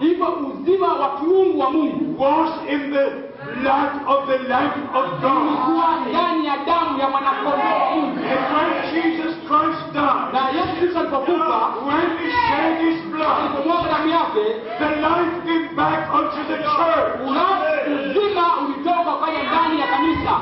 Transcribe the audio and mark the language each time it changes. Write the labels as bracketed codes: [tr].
[sw] Hivyo uzima wa kiungu wa Mungu [en] was in the blood of the Lamb of God. [sw] Ulikuwa ndani ya damu ya mwana kondoo. [en] When Jesus Christ died. [sw] Na Yesu Kristo alipokufa, [en] when he shed his blood. [sw] Alipomwaga damu yake, [en] the life came back unto the church. [sw] Uzima ulitoka kwenye ndani ya kanisa.